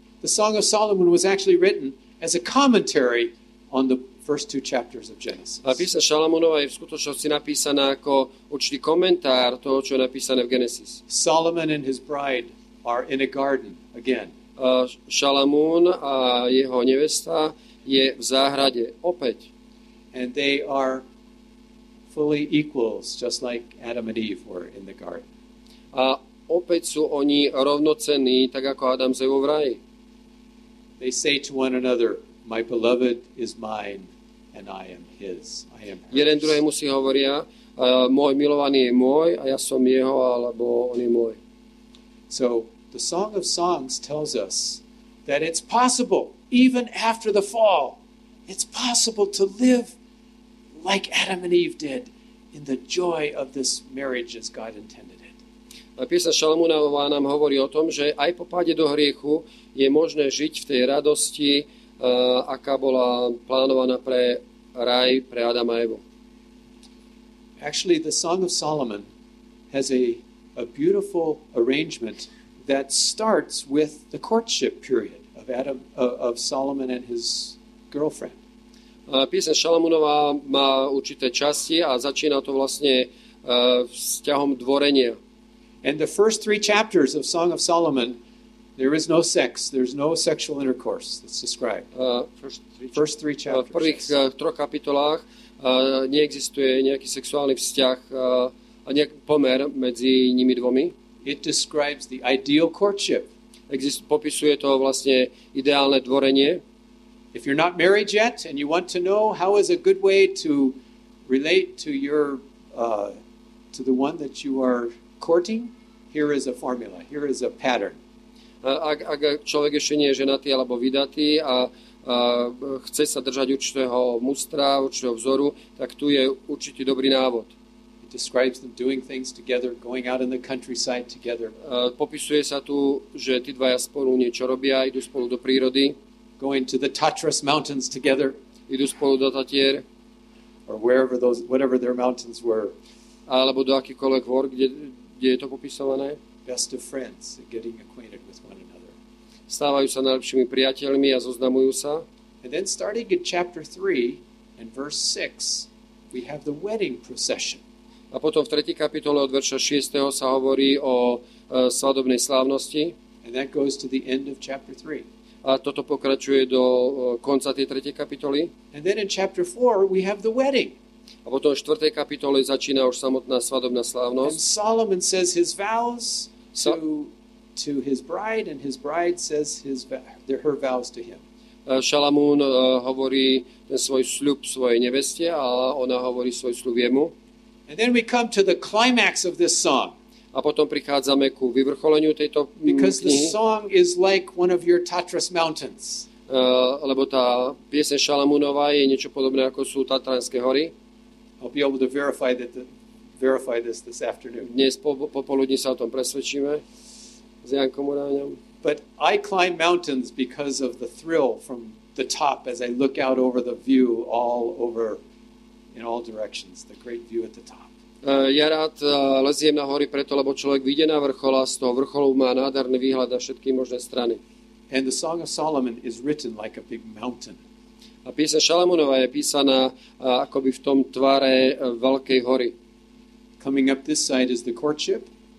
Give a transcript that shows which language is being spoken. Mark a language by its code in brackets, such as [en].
[en] The Song of Solomon was actually written as a commentary on the first two chapters of Genesis. [sk] A Pieseň Šalamúnova je v skutočnosti napísaná ako určitý komentár toho, čo je napísané v Genesis. [en] Solomon and his bride are in a garden again. [sk] Šalamún a jeho nevesta je v záhrade opäť. [en] And they are fully equals, just like Adam and Eve were in the garden. [sk] A opäť sú oni rovnocenní, tak ako Adam s Evou v raji. [en] They say to one another, my beloved is mine and I am his. I am hers. [sk] Jeden druhému si hovoria, môj milovaný je môj a ja som jeho, alebo on je môj. [en] So the Song of Songs tells us that it's possible, even after the fall, it's possible to live like Adam and Eve did in the joy of this marriage as God intended it. [sk] A Pieseň Šalamúnova nám hovorí o tom, že aj po páde do hriechu je možné žiť v tej radosti, aká bola plánovaná pre raj, pre Adama a Evu. [en] Actually, the Song of Solomon has a beautiful arrangement that starts with the courtship period of Adam, of Solomon and his girlfriend. [sk] Pieseň Šalamúnova má určité časti a začína to vlastne vzťahom dvorenia. [en] And the first three chapters of Song of Solomon, there is no sex, there's no sexual intercourse that's described. [sk] V prvých troch kapitolách neexistuje nejaký sexuálny vzťah a nejaký pomer medzi nimi dvomi. [en] It describes the ideal courtship. [sk] Popisuje to vlastne ideálne dvorenie. [en] If you're not married yet and you want to know how is a good way to relate to your to the one that you are courting, here is a formula, here is a pattern. [sk] Ak človek ešte nie je ženatý alebo vydatý a chce sa držať určitého mustra, určitého vzoru, tak tu je určitý dobrý návod. [en] It describes them doing things together, going out in the countryside together. [sk] Popisuje sa tu, že tí dvaja spolu niečo robia, idú spolu do prírody. [en] Going to the Tatras mountains together. [sk] Idú spolu do Tatier. [en] Or wherever those, whatever their mountains were. [sk] Alebo do akýkoľvek hor, kde je to popisované. [en] Best of friends, getting acquainted with one another. [sk] Stávajú sa najlepšími priateľmi a zoznamujú sa. [en] And then starting in chapter 3 and verse 6, we have the wedding procession. [sk] A potom v 3. kapitole od verša 6. sa hovorí o svadobnej slávnosti. [en] And that goes to the end of chapter 3. [sk] A toto pokračuje do konca tej 3. kapitoly. [en] And then in chapter 4 we have the wedding. [sk] A potom v 4. kapitole začína už samotná svadobná slávnosť. [en] And Solomon says his vows to his bride and his bride says her vows to him. [sk] Šalamún hovorí ten svoj sľub svojej neveste a ona hovorí svoj sľub jemu. [en] And then we come to the climax of this song. [sk] A potom prichádzame ku vyvrcholeniu tejto knihy. [en] Because the song is like one of your Tatras mountains. [sk] Lebo tá Pieseň Šalamúnova je niečo podobné ako sú Tatranské hory. [en] I'll be able to verify this afternoon. [sk] Dnes popoludní sa o tom presvedčíme s Jankom Uráňom. [en] But I climb mountains because of the thrill from the top as I look out over the view all over in all directions, the great view at the top. [sk] Ja rád leziem na hory preto, lebo človek vyjde na vrchol a z toho vrcholu má nádherný výhľad na všetky možné strany. [en] And the Song of Solomon is written like a big mountain. [sk] A pieseň Šalamúnova je písaná akoby v tom tváre veľkej hory. [en] Coming up this side is the courtship.